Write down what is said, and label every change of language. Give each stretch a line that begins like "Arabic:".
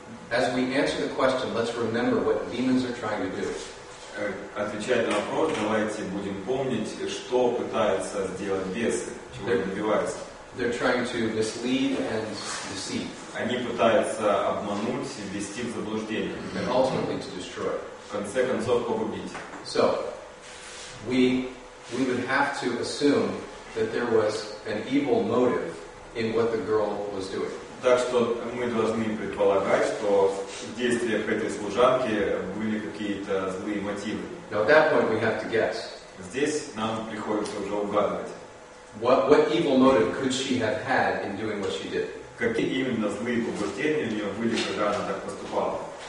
English: As we answer the question, let's remember what demons are trying to do.
Russian: Отвечая на вопрос, давайте будем помнить, что пытаются сделать бесы, чего они добиваются.
English: They're trying to mislead and deceive.
Russian: Они пытаются обмануть, ввести в заблуждение.
English: And ultimately to destroy.
Russian: В конце концов, погубить.
English: So, we would have to assume that there was an evil motive in what the girl was doing.
Russian: Так что мы должны предполагать, что в действиях этой служанки были какие-то злые мотивы.
English: Now, at that point, we have to guess.
Russian: Здесь нам приходится уже угадывать.
English: What evil motive could she have had in doing what she did?
Russian: Какие именно злые побуждения у нее были, когда она так поступала?